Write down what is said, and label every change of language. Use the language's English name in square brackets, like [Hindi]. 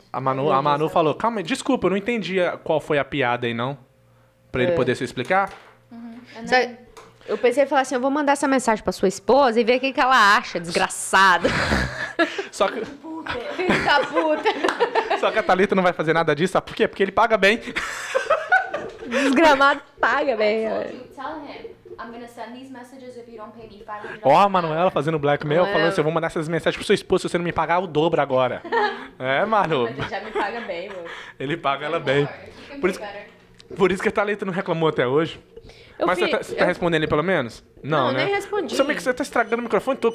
[Portuguese] A Manu falou, calma, desculpa, eu não entendi qual foi a piada aí, não? Pra ele poder se explicar? [English] Uhum. Then... [Portuguese] Eu pensei em falar assim, eu vou mandar essa mensagem pra sua esposa e ver o que ela acha, desgraçado. Só que... Puta. Fica puta. Só que a Thalita não vai fazer nada disso, sabe por quê? Porque ele paga bem. Desgramado paga bem. [English] Tell him, I'm gonna send these messages if you don't pay me $500. [Portuguese] Ó, a Manuela fazendo blackmail, falando assim, eu vou mandar essas mensagens pro seu esposo se você não me pagar o dobro agora. É, Manu. Ele já me paga bem, mano. Ele paga ela bem. Por isso que a Thalita não reclamou até hoje. Você tá respondendo ele pelo menos? Não, né? Eu nem respondi. Você tá estragando o microfone?